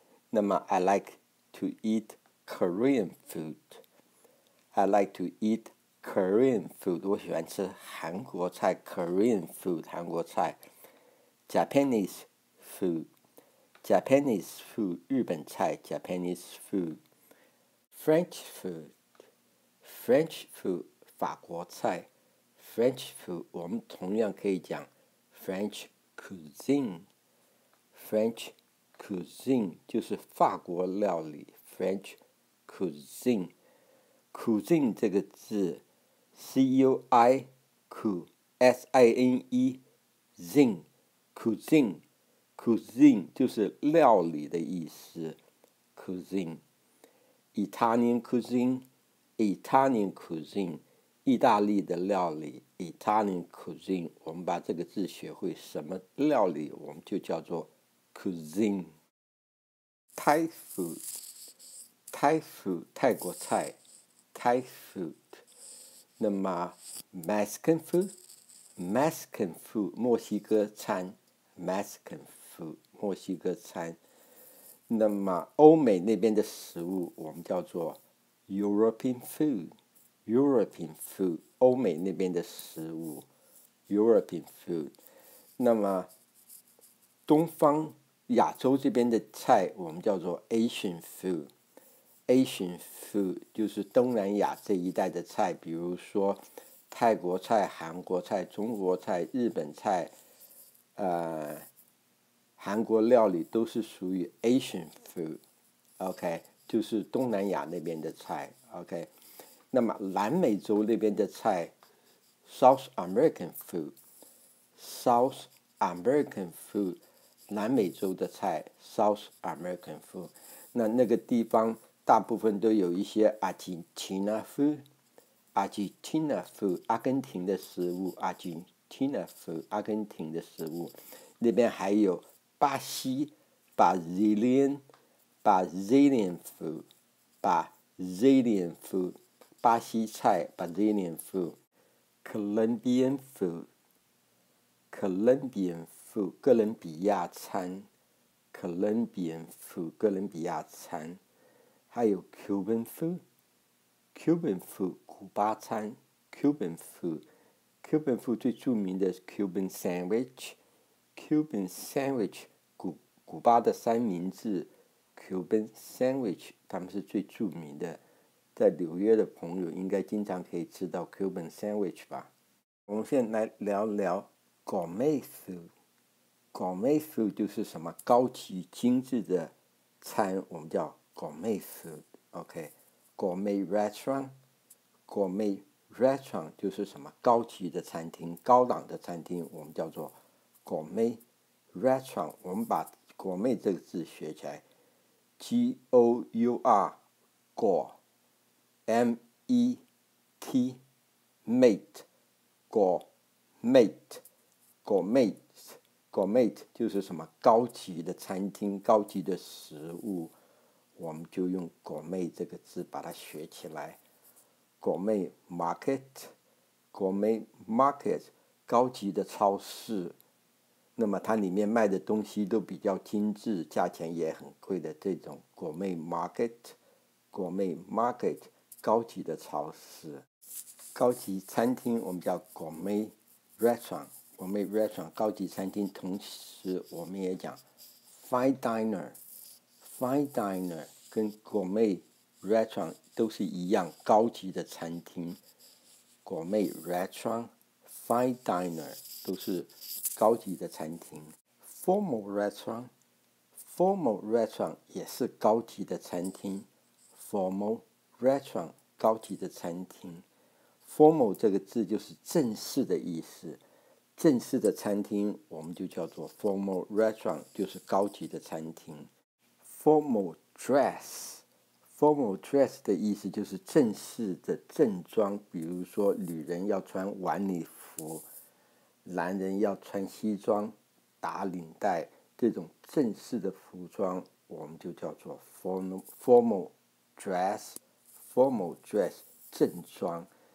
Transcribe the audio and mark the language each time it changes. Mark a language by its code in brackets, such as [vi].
[zh] 那么 [en] I like to eat Korean food. I like to eat Korean food. [zh] 我喜欢吃韩国菜 [en] Korean food, [zh] 韩国菜 [en] Japanese food. Japanese food, [zh] 日本菜 [en] Japanese food. French food. French food, [zh] 法国菜 [en] French food, [zh] 我们同样可以讲 [en] French cuisine, French cuisine [zh] 就是法国料理。 [en] French cuisine, cuisine [zh] 这个字 [en] C-U-I-C-U-S-I-N-E, zine, cuisine, cuisine [zh] 就是料理的意思。 [en] Cuisine, Italian cuisine, Italian cuisine. [zh] 意大利的料理 [en] Italian cuisine [zh] 我们把这个字学会什么料理我们就叫做 cuisine [en] Thai food Thai food [zh] 泰国菜 [en] Thai food 那么 Mexican food Mexican food [zh] 墨西哥餐 [en] Mexican food [zh] 墨西哥餐那么欧美那边的食物我们叫做 [en] European foodEuropean food, [zh] 欧美那边的食物 [en] European food. [zh] 那么东方亚洲这边的菜我们叫做 [en] Asian food. Asian food [zh] 就是东南亚这一带的菜比如说泰国菜韩国菜中国菜日本菜韩国料理都是属于 Asian food. OK, 就是东南亚那边的菜 OK. 那么南美洲那边的菜 [en] South American food [zh] South American food 南美洲的菜 South American food 那个地方大部分都有一些 [en] Argentina food Argentina food [zh] 阿根廷的食物 [en] Argentina food [zh] 阿根廷的食物那边还有巴西 [en] Brazilian Brazilian food Brazilian food [zh] 巴西菜 [en] Brazilian food Colombian food Colombian food， [zh] 哥伦比亚餐 [en] ，Colombian food， 哥伦比亚餐，还有 Cuban food，Cuban food， [zh] 古巴餐 [en] ，Cuban food，Cuban food [zh] 最著名的是 [en] Cuban sandwich，Cuban sandwich， [zh] 古巴的三明治 [en] ，Cuban sandwich， [zh] 他们是最著名的。在纽约的朋友应该经常可以吃到 [en] Cuban sandwich [zh] 吧。我们现在来聊聊 [en] gourmet food。 [zh] gourmet food 就是什么高级精致的餐，我们叫 gourmet food。 OK， [en] gourmet restaurant， [zh] gourmet restaurant 就是什么高级的餐厅，高档的餐厅，我们叫做 gourmet restaurant。我们把 gourmet 这个字学起来 ，G O U R， gour。 M-E-T Mate Gourmet Gourmet Gourmet 就是什么高级的餐厅，高级的食物，我们就用 Gourmet 这个字把它学起来。 [en] Gourmet Market [zh] Gourmet Market 高级的超市，那么它里面卖的东西都比较精致，价钱也很贵的这种 Gourmet Market Gourmet Market高级的超市，高级餐厅，我们叫 [en] gourmet restaurant， [zh] gourmet restaurant 高级餐厅。同时我们也讲 [en] fine diner， [zh] fine diner 跟 [en] gourmet restaurant [zh] 都是一样高级的餐厅。 [en] gourmet restaurant， fine diner [zh] 都是高级的餐厅。 [en] formal restaurant， formal restaurant [zh] 也是高级的餐厅。 formalrestaurant 高级的餐厅。formal 这个字就是正式的意思，正式的餐厅我们就叫做 [en] formal restaurant， [zh] 就是高级的餐厅。 [en] formal dress， [zh] formal dress 的意思就是正式的正装，比如说女人要穿晚礼服，男人要穿西装打领带，这种正式的服装我们就叫做 [en] formal dressformal dress [zh] 正装。